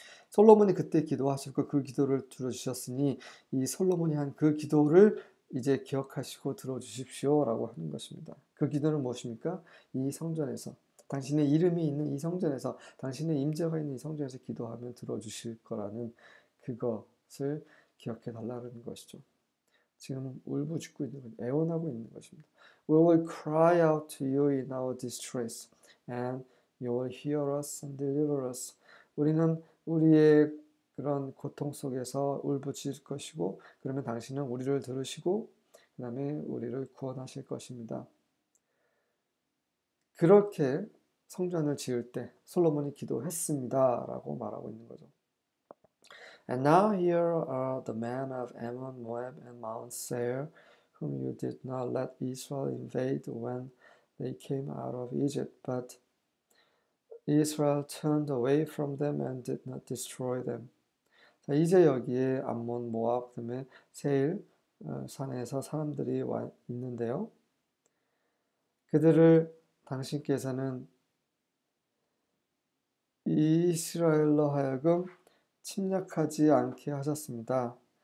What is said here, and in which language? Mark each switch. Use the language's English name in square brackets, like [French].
[Korean] 솔로몬이 그때 기도하셨고 그 기도를 들어주셨으니 이 솔로몬이 한그 기도를 이제 기억하시고 들어주십시오라고 하는 것입니다. 그 기도는 무엇입니까? 이 성전에서 당신의 이름이 있는 이 성전에서 당신의 임재가 있는 이 성전에서 기도하면 들어주실 거라는 그것을 기억해 달라는 것이죠. 지금 울부짖고 있는, 애원하고 있는 것입니다. [English] We will cry out to you in our distress, and you will hear us and deliver us. [Korean] 우리는 우리의 그런 고통 속에서 울부짖을 것이고, 그러면 당신은 우리를 들으시고, 그 다음에 우리를 구원하실 것입니다. 그렇게 성전을 지을 때 솔로몬이 기도했습니다라고 말하고 있는 거죠. [English] And now here are the men of Ammon, Moab, and Mount Seir, whom you did not let Israel invade when they came out of Egypt. But Israel turned away from them and did not destroy them. [Korean] 자, 이제 여기에 암몬 모압 등의 세일 산에서 사람들이 와 있는데요. 그들을 당신께서는 이스라엘로 하여금 침략하지 않게 하셨습니다.